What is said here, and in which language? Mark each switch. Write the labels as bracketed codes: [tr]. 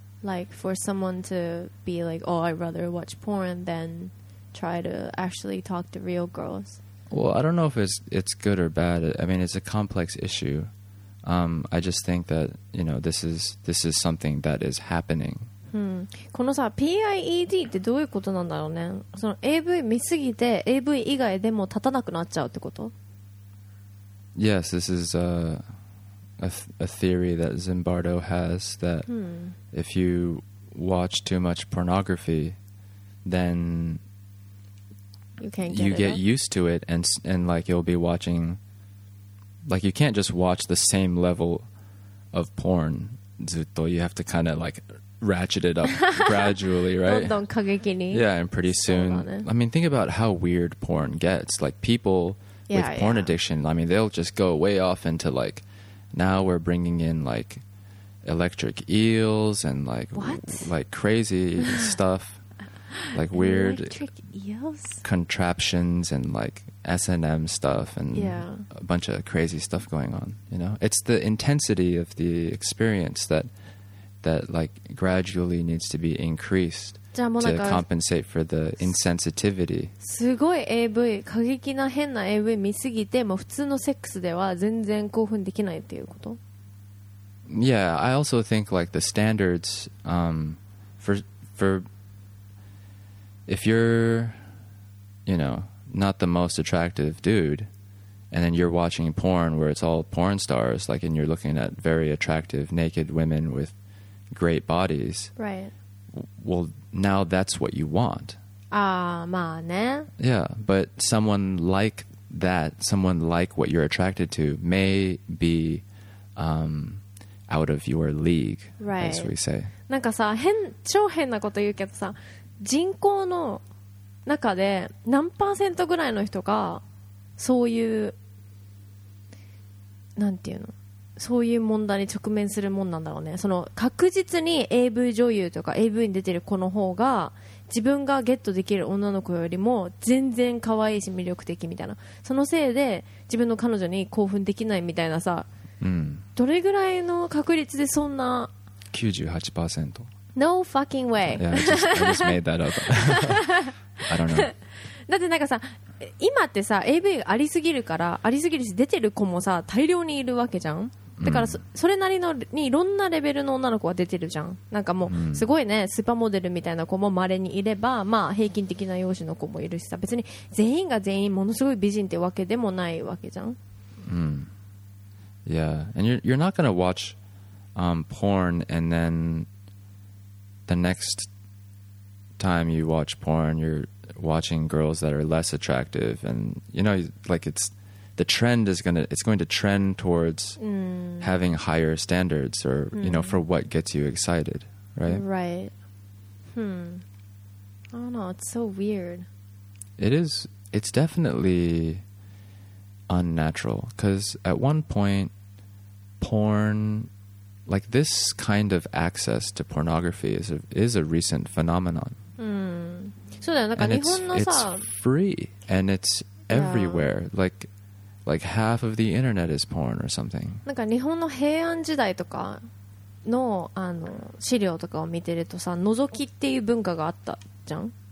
[en] like for someone to be like oh I'd rather watch porn than try to actually talk to real girls well I don't know if it's good or bad I mean it's a complex issue I just think that you know this is something that is happening [ja] このさ PIED ってどういうことなんだろうねその AV 見すぎて AV 以外でも立たなくなっちゃうってこと [en] Yes, this is a theory that Zimbardo has that if you watch too much pornography then you, can't get, you it get used to it and like you'll be watching like you can't just watch the same level of porn [ja] ずっと [en] you have to kind of likeratchet it up gradually, right? [ja] どんどん過激に [en] Yeah, and pretty soon. I mean, think about how weird porn gets. Like, people with porn addiction, I mean, they'll just go way off into, like, now we're bringing in, like, electric eels and, like, like crazy stuff. Like, weird contraptions and, like, S&M stuff and a bunch of crazy stuff going on, you know? It's the intensity of the experience that... That like gradually needs to be increased to compensate for the insensitivity. [ja] すごい AV 過激な変な AV 見すぎて、もう普通のセックスでは全然興奮できないっていうこと? [en] Yeah, I also think like the standards for if you're you know not the most attractive dude, and then you're watching porn where it's all porn stars, like and you're looking at very attractive naked women with great bodies right well now that's what you want [ja] まあね [en] yeah but someone like that someone like what you're attracted to may be out of your league, right, as we say. [ja] なんかさ、変、超変なこと言うけどさ、人口の中で何パーセントぐらいの人がそういう、なんていうの、そういう問題に直面するもんなんだろうね。その確実に AV 女優とか AV に出てる子の方が自分がゲットできる女の子よりも全然可愛いし魅力的みたいな、そのせいで自分の彼女に興奮できないみたいなさ、うん、どれぐらいの確率でそんな 98%。 [en] No fucking way. Yeah, I just made that up. I don't know. [ja] だってなんかさ、今ってさ AV ありすぎるから、ありすぎるし出てる子もさ大量にいるわけじゃん。だから それなりのにいろんなレベルの女の子は出てるじゃん。なんかもうすごいね、うん、スーパーモデルみたいな子もまれにいれば、まあ平均的な容姿の子もいるしさ、別に全員が全員ものすごい美人ってわけでもないわけじゃん。うん。 [en] Yeah, and you're not gonna watch porn and then the next time you watch porn, you're watching girls that are less attractive, and you know, like it's the trend is gonna, it's going to trend towards having higher standards or, you know, for what gets you excited, right? Right. Hmm. I don't know, it's so weird. It is, it's definitely unnatural, because at one point, porn, like this kind of access to pornography is a recent phenomenon. So then, like, it's free and it's everywhere. Yeah. Like half of the internet is porn or something. [ja] なんか日本の平安時代とかの、あの、資料とかを見てるとさ、覗きっていう文化があったじゃん。